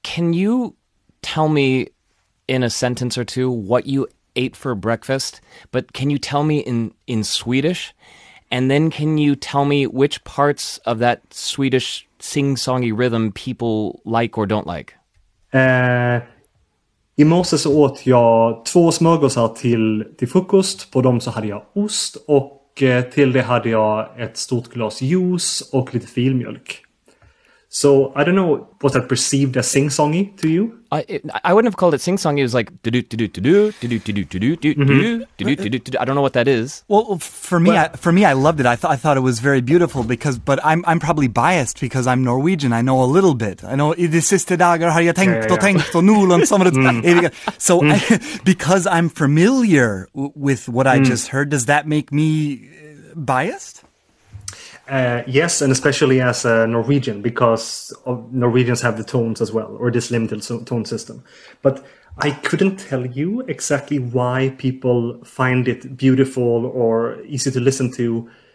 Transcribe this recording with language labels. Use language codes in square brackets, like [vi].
[en] Can you tell me in a sentence or two what you ate for breakfast? But can you tell me in Swedish, and then can you tell me which parts of that Swedish sing-songy rhythm people like or don't like? [sv] I morse så åt jag två smörgåsar till frukost. På dem så hade jag ost och till det hade jag ett stort glas juice och lite filmjölk. [en] So I don't know, was that perceived as sing-songy to you? I wouldn't have called it sing-songy. It was like do do do do do do do do do do do do do do do do. I don't know what that is. Well, for me, I loved it. I thought it was very beautiful but I'm probably biased because I'm Norwegian. I know a little bit. I know the sister [sv] dagar har jag tänkt och tänkt och nu och så vidare. [en] So because I'm familiar with what I just heard, does that make me biased? Yes, and especially as a Norwegian, because Norwegians have the tones as well, or this limited tone system. But I couldn't tell you exactly why people find it beautiful or easy to listen to.